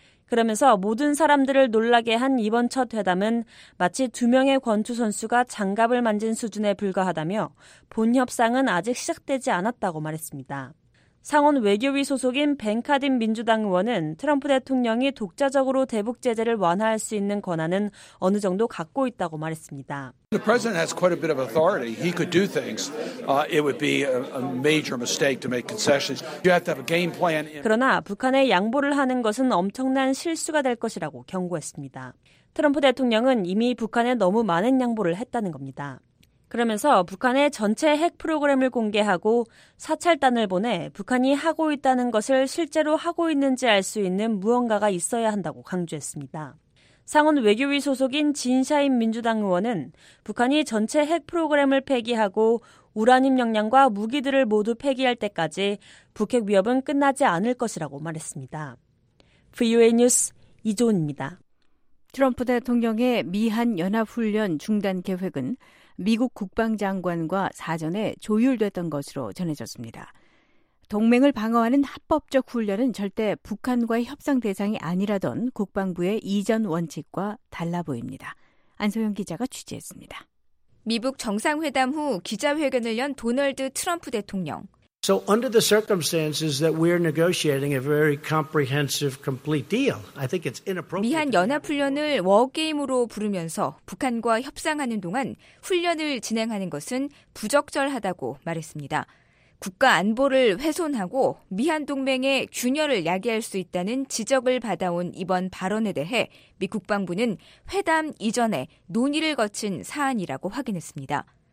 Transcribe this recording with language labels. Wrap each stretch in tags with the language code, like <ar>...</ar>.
<ko>그러면서 모든 사람들을 놀라게 한 이번 첫 회담은 마치 두 명의 권투 선수가 장갑을 만진 수준에 불과하다며 본 협상은 아직 시작되지 않았다고 말했습니다. 상원 외교위 소속인 벤카딘 민주당 의원은 트럼프 대통령이 독자적으로 대북 제재를 완화할 수 있는 권한은 어느 정도 갖고 있다고 말했습니다.</ko> <en>The president has quite a bit of authority. He could do things. It would be a major mistake to make concessions. You have to have a game plan.</en> <ko>그러나 북한에 양보를 하는 것은 엄청난 실수가 될 것이라고 경고했습니다. 트럼프 대통령은 이미 북한에 너무 많은 양보를 했다는 겁니다. 그러면서 북한의 전체 핵 프로그램을 공개하고 사찰단을 보내 북한이 하고 있다는 것을 실제로 하고 있는지 알 수 있는 무언가가 있어야 한다고 강조했습니다. 상원 외교위 소속인 진샤인 민주당 의원은 북한이 전체 핵 프로그램을 폐기하고 우라늄 역량과 무기들을 모두 폐기할 때까지 북핵 위협은 끝나지 않을 것이라고 말했습니다. VOA 뉴스 이조은입니다. 트럼프 대통령의 미한 연합훈련 중단 계획은 미국 국방장관과 사전에 조율됐던 것으로 전해졌습니다. 동맹을 방어하는 합법적 훈련은 절대 북한과의 협상 대상이 아니라던 국방부의 이전 원칙과 달라 보입니다. 안소영 기자가 취재했습니다. 미북 정상회담 후 기자회견을 연 도널드 트럼프 대통령.</ko> <en>So under the circumstances that we're negotiating a very comprehensive, complete deal, I think it's inappropriate.</en> <ko>미한 연합훈련을 워게임으로 부르면서 북한과 협상하는 동안 훈련을 진행하는 것은 부적절하다고 말했습니다. 국가 안보를 훼손하고 미한 동맹의 균열을 야기할 수 있다는 지적을 받아온 이번 발언에 대해 미 국방부는 회담 이전에 논의를 거친 사안이라고 확인했습니다.</ko>